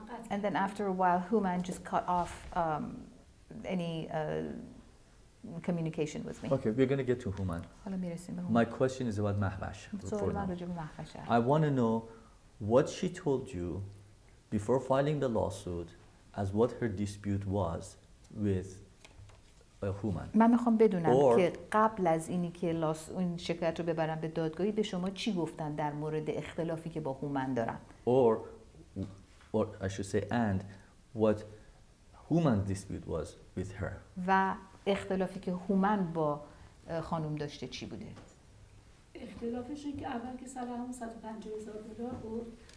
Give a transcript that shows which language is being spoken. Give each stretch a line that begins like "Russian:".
English: And then after a while, Human just cut off any communication with me. Okay, we're going to get to Human. My question is about Mahvash. I want to know what she told you before filing the lawsuit, as what her dispute was with Human.
Persian: من میخوام بدونم که قبل از اینی که اون شکایت رو ببرم به دادگاهی به شما چی گفتن در مورد اختلافی که با Human دارن.
English: Or I should say, and what Human's dispute was with her.
Persian: و اختلافی که Human با خانم داشته چی بوده؟ اختلافش این که اول که سر هم 150,000 دلار بود.